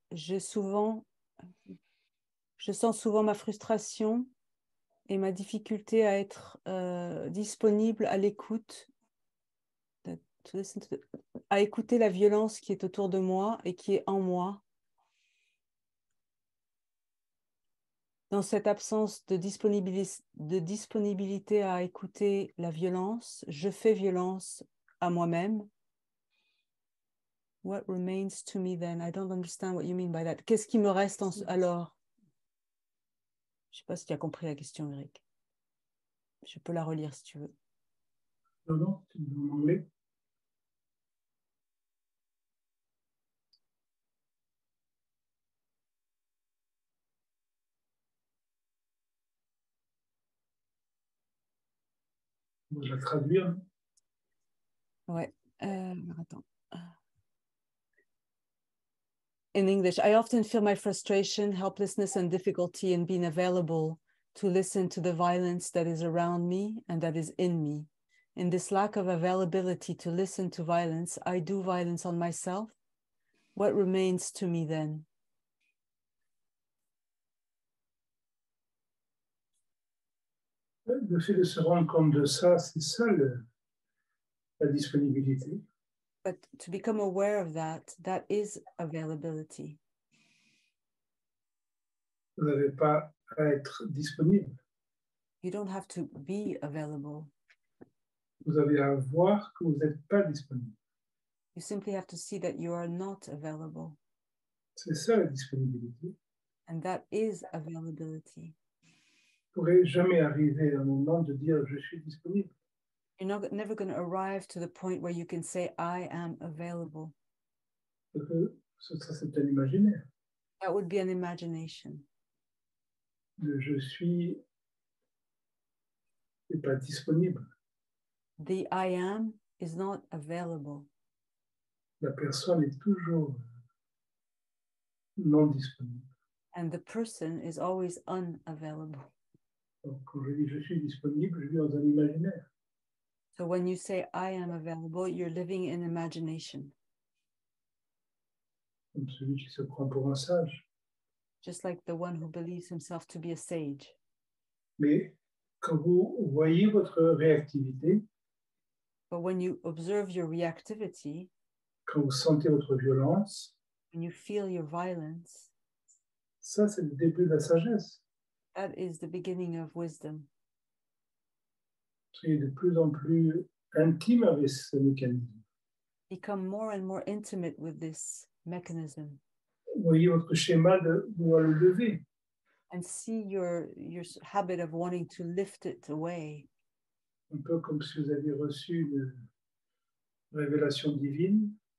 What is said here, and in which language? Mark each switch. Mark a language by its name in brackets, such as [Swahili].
[French] Je sens souvent ma frustration et ma difficulté à être disponible à l'écoute, à écouter la violence qui est autour de moi et qui est en moi. Dans cette absence de disponibilité à écouter la violence, je fais violence à moi-même. [English] What remains to me then? I don't understand what you mean by that. [French] Qu'est-ce qui me reste alors? Je ne sais pas si tu as compris la question, Eric. Je peux la relire si tu veux. Non, non, tu veux en anglais. Je vais traduire. Ouais. Attends. [English] In English, I often feel my frustration, helplessness, and difficulty in being available to listen to the violence that is around me and that is in me. In this lack of availability to listen to violence, I do violence on myself. What remains to me then? [French] Le fait de se rendre compte de ça, c'est ça la disponibilité. [English] But to become aware of that, that is availability. [French] Vous n'avez pas à être disponible. [English] You don't have to be available. [French] Vous avez à voir que vous n'êtes pas disponible. [English] You simply have to see that you are not available. [French] C'est ça la disponibilité. [English] And that is availability. [French] Vous ne pourrez jamais arriver à un moment de dire je suis disponible. [English] You're never going to arrive to the point where you can say, I am available. [French] Ça, c'est un imaginaire. [English] That would be an imagination. [French] Je suis pas disponible. [English] The I am is not available. [French] La personne est toujours non disponible. [English] And the person is always unavailable. [French] Donc, quand je dis je suis disponible, je vis dans un imaginaire. [English] So when you say I am available, you're living in imagination. [French] Comme celui qui se prend pour un sage. [English] Just like the one who believes himself to be a sage. [French] Mais quand vous voyez votre réactivité, [English] but when you observe your reactivity, [French] quand vous sentez votre violence, [English] when you feel your violence, [French] ça c'est le début de la sagesse. [English] That is the beginning of wisdom. [French] Soyez de plus en plus intime avec ce mécanisme. [English] Become more and more intimate with this mechanism. [French] Voyez votre schéma de vouloir le lever. [English] And see your habit of wanting to lift it away. [French] Un peu comme si vous aviez reçu une révélation divine.